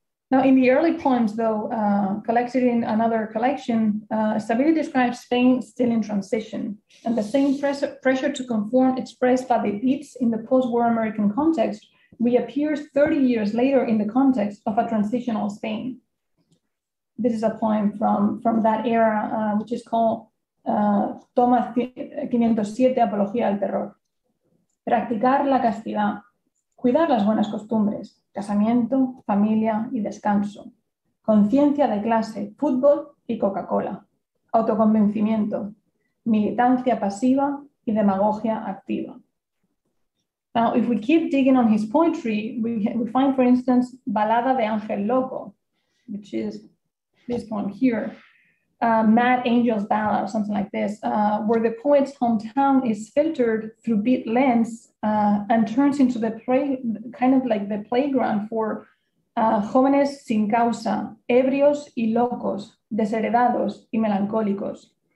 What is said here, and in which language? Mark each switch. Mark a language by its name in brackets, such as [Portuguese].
[English] Now, in the early poems, though, collected in another collection, Estabile describes Spain still in transition, and the same pressure to conform expressed by the Beats in the post-war American context reappears 30 years later in the context of a transitional Spain. This is a poem from that era, which is called Toma 507 Apología al Terror. [Spanish] Practicar la castidad, cuidar las buenas costumbres, casamiento, familia y descanso, conciencia de clase, fútbol y Coca-Cola, autoconvencimiento, militancia pasiva y demagogia activa. [English] Now, if we keep digging on his poetry, we find, for instance, Balada de Ángel Loco, which is this poem here, Mad Angel's Ballad, or something like this, where the poet's hometown is filtered through Beat lens and turns into the kind of like the playground for [Spanish] jóvenes sin causa, ebrios y locos, desheredados y melancólicos.